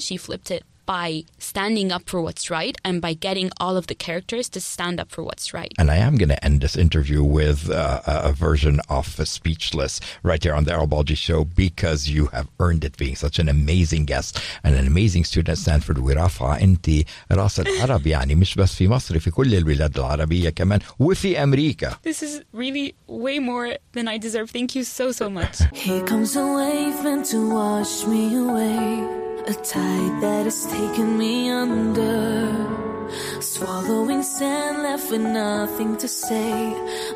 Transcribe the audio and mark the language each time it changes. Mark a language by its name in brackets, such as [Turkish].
[English] She flipped it by standing up for what's right and by getting all of the characters to stand up for what's right. And I am going to end this interview with a version of Speechless right there on the Errol Balji Show, because you have earned it being such an amazing guest and an amazing student at Stanford. [Arabic] ورافع انت راس العرب يعني مش بس في مصر في كل البلاد العربية كمان وفي أمريكا. [English] This is really way more than I deserve. Thank you so, so much. Here comes a wave meant to wash me away. A tide that has taken me under, swallowing sand left with nothing to say.